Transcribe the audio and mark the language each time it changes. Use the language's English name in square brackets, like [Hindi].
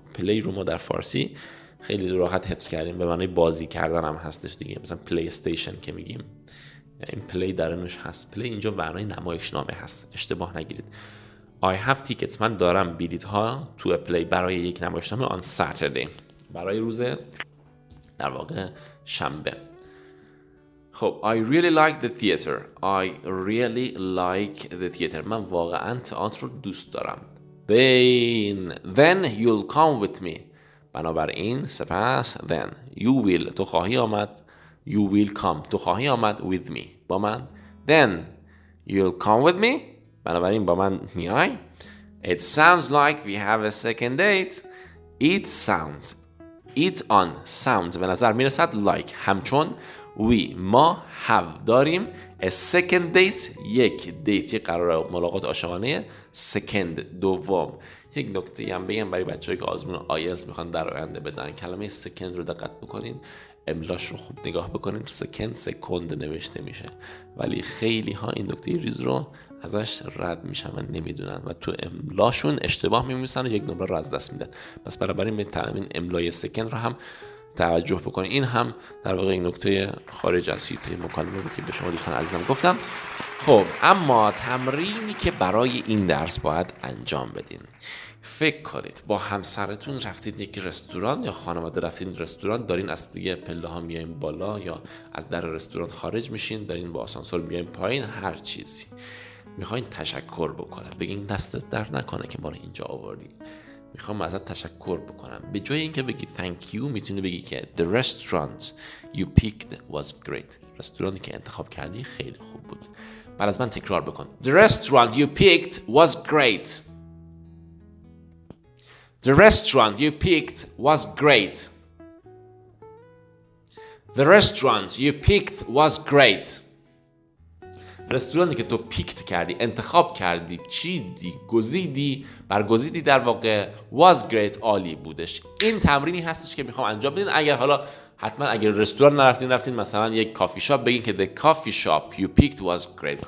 [Persian] play رو ما در فارسی خیلی راحت حفظ کردیم، به معنی بازی کردن هم هستش دیگه، مثلا play station که میگیم این play درنش هست. play اینجا برای نمایش نامه هست، اشتباه نگیرید. [English] I have tickets [Persian] من دارم بلیط ها [English] to a play [Persian] برای یک نمایش نامه [English] on Saturday [Persian] برای روز در واقع شنبه. [English] خب I really like the theater. I really like the theater. [Persian] من واقعا تئاتر رو دوست دارم. [English] Then you'll come with me. [Persian] بنابراین سپس [English] then you will [Persian] تو خواهی آمد. [English] You will come [Persian] تو خواهی آمد [English] with me [Persian] با من. [English] Then you'll come with me. [Persian] بنابراین با من میای. [English] It sounds like we have a second date. It sounds. It on sounds [Persian] به نظر میرسد [English] like [Persian] همچون [English] we [Persian] ما [English] have [Persian] داریم [English] a second date [Persian] یک دیت یک قرار ملاقات عاشقانه [English] second [Persian] دوم. یک نکته هم بگم برای بچه‌ای که آزمون IELTS میخوان در آینده بدن، کلمه second رو دقت بکنین، املاش رو خوب نگاه بکنین. second نوشته میشه ولی خیلی ها این نکته ریز رو ازش رد میشن و نمیدونن و تو املاشون اشتباه میمیسن و یک نمره رو از دست میدن. پس برابری میتونم این املای second رو هم توجه بکنید. این هم در واقع این نکته خارج از سیته مکالمه بود که به شما دوستان عزیزم گفتم. خب اما تمرینی که برای این درس باید انجام بدین، فکر کنید با همسرتون رفتید یک رستوران یا خانواده رفتید رستوران، دارین از دیگه پله ها میایین بالا یا از در رستوران خارج میشین، دارین با آسانسور میایین پایین، هر چیزی میخواین تشکر بکنن، بگین دستت در نکنه که ما رو اینجا آوردین، میخوام ازت تشکر بکنم. به جای اینکه بگی thank you میتونی بگی که [English] the restaurant you picked was great. [Persian] رستورانی که انتخاب کردی خیلی خوب بود. بعد از من تکرار بکن. [English] The restaurant you picked was great. The restaurant you picked was great. The restaurant you picked was great. [Persian] رستورانی که تو پیکت کردی، انتخاب کردی، چیدی، گزیدی، برگزیدی در واقع [English] was great، [Persian] عالی بودش. این تمرینی هستش که میخوام انجام بدین. اگر حالا حتما اگر رستوران نرفتین، رفتین مثلا یک کافی شاپ، بگین که [English] the coffee shop you picked was great.